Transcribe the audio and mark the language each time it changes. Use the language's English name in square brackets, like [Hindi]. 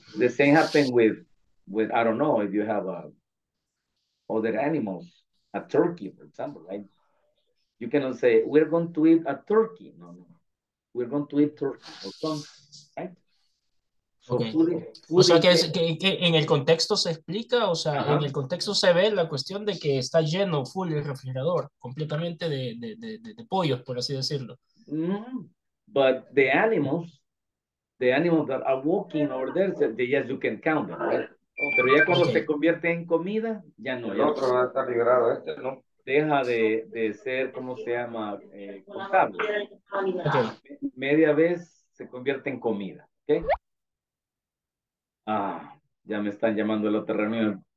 [English] The same happened with I don't know, if you have other animals, a turkey, for example, right? You cannot say, we're going to eat a turkey. No, no. We're going to eat turkey or something, right? [Spanish] Okay. O sea, que en el contexto se explica, o sea, uh-huh. En el contexto se ve la cuestión de que está lleno, full el refrigerador, completamente de pollos, por así decirlo. [English] But the animals that are walking over there, they, yes, you can count them, right? [Spanish] Pero ya cuando okay. Se convierte en comida, ya no. El otro no está liberado, este, ¿no? Deja de ser, ¿cómo se llama? Contable. Okay. Media vez se convierte en comida, ¿ok? Ah, ya me están llamando el otro reunión.